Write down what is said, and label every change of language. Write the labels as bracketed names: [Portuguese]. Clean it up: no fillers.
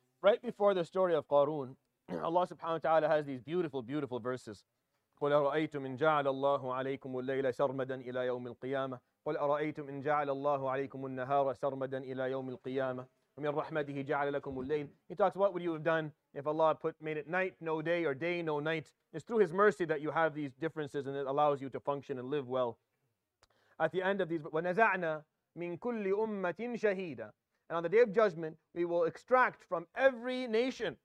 [English] Right before the story of Qarun, Allah subhanahu wa ta'ala has these beautiful, beautiful verses. [Arabic] قل أرأيتم إن جعل الله عليكم الليل سرمدا إلى يوم القيامة قل أرأيتم إن جعل الله عليكم النهار سرمدا إلى يوم القيامة ومن رحمته جعل لكم الليل. [English] He talks, what would you have done if Allah made it night, no day, or day, no night? It's through His mercy that you have these differences and it allows you to function and live well. At the end of these, [Arabic] ونزعنا من كل أمة شهيدة. [English] And on the day of judgment, we will extract from every nation.